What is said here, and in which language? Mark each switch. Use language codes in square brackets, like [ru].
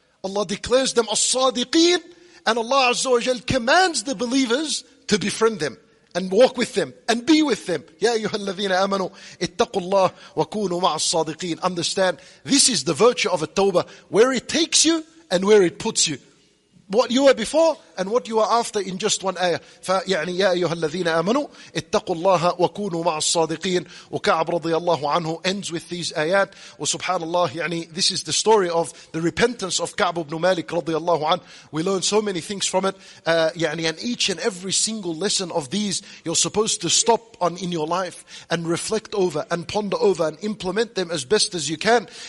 [en] Allah declares them الصَّادِقِينَ. And Allah Azza wa Jal commands the believers to befriend them and walk with them and be with them. [ar] يَا أَيُّهَا الَّذِينَ آمَنُوا اتَّقُوا اللَّهَ وَكُونُوا مَعَ الصَّادِقِينَ. [en] Understand, this is the virtue of a tawbah, where it takes you and where it puts you. What you were before and what you are after in just one ayah. [ar] فيعني يا أيها الذين آمنوا اتقوا الله وكونوا مع الصادقين. وكعب رضي الله عنه [en] ends with these ayat. [ar] وسبحان الله, يعني, [en] this is the story of the repentance of Ka'b ibn Malik رضي الله عنه. We learn so many things from it. And each and every single lesson of these, you're supposed to stop on in your life and reflect over and ponder over and implement them as best as you can.